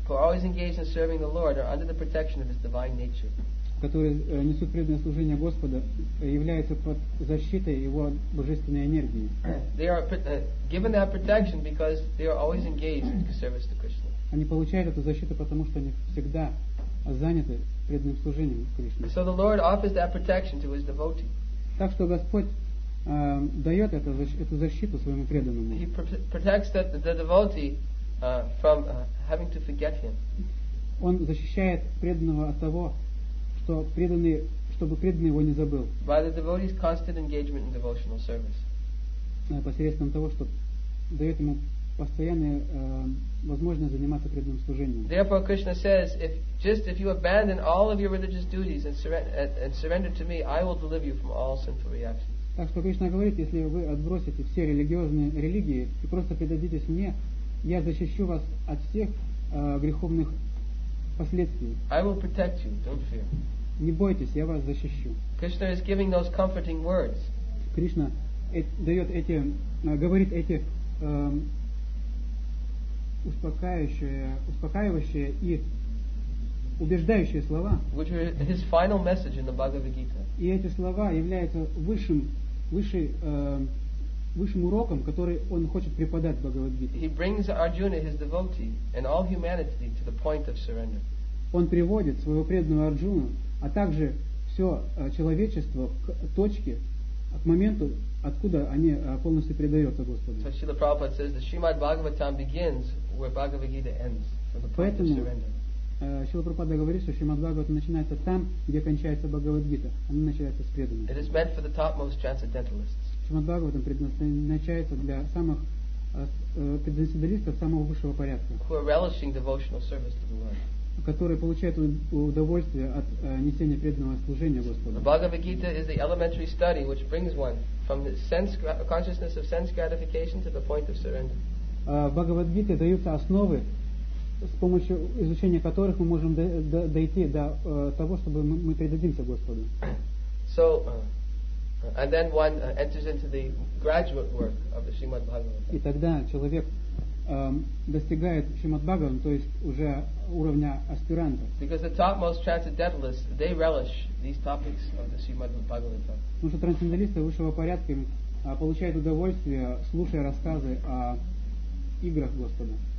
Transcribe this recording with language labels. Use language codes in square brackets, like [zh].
[en] Who are always engaged in serving the Lord are under the protection of His divine nature. [ru] Которые несут преданное служение Господа являются под защитой Его божественной энергии. [en] They are given that protection because they are always engaged in service to Krishna. [ru] Они получают эту защиту потому что они всегда заняты преданным служением Кришне. [en] So the Lord offers that protection to His devotee. [ru] Так что Господь дает эту защиту своему преданному. [en] He protects the devotee from having to forget him. [ru] Он защищает преданного от того, что преданный, чтобы преданный его не забыл. [en] By the devotee's constant engagement in devotional service. [ru] Посредством того, что дает ему постоянную возможность заниматься преданным служением. [en] Therefore, Krishna says, if you abandon all of your religious duties and surrender to me, I will deliver you from all sinful reactions. [ru] Так что Кришна говорит, если вы отбросите все религиозные религии и просто предадитесь мне, я защищу вас от всех греховных последствий. [en] I will protect you. Don't fear. [ru] Не бойтесь, я вас защищу. [en] Krishna is giving those comforting words. [ru] Кришна дает эти говорит эти успокаивающие и убеждающие слова. [en] Which are his final message in the Bhagavad Gita. [ru] И эти слова являются высшим уроком, который он хочет преподать в Бхагавад Гите. [en] He brings Arjuna, his devotee, and all humanity to the point of surrender. [ru] Он приводит своего преданного Арджуну, а также все человечество к точке, к моменту, откуда они полностью предаются Господу. [en] So Srila Prabhupada says the Srimad Bhagavatam begins where Bhagavad Gita ends, from the point of surrender. [ru] Шрила Прабхупада говорит, что Шримад Бхагавата начинается там, где кончается Бхагавад Гита. Она начинается с преданных. [en] It is meant for the topmost transcendentalists. [ru] Шримад Бхагаватам предназначается для самых трансценденталистов самого высшего порядка. [en] Who are relishing devotional service to the Lord. [ru] Которые получают удовольствие от несения преданного служения Господу. [en] Bhagavad Gita is the elementary study which brings one from the sense consciousness of sense gratification to the point of surrender. [ru] Бхагавад Гите даются основы, с помощью изучения которых мы можем дойти до того, чтобы мы предадимся Господу. [en] So, and then one enters into the graduate work of the Srimad Bhagavatam. [ru] И тогда человек достигает Шримад Бхагаватам, то есть уже уровня аспиранта. [en] Because the topmost transcendentalists, they relish these topics of the Srimad Bhagavatam. [ru] Потому что трансценденталисты высшего порядка получают удовольствие, слушая рассказы о играх Господа.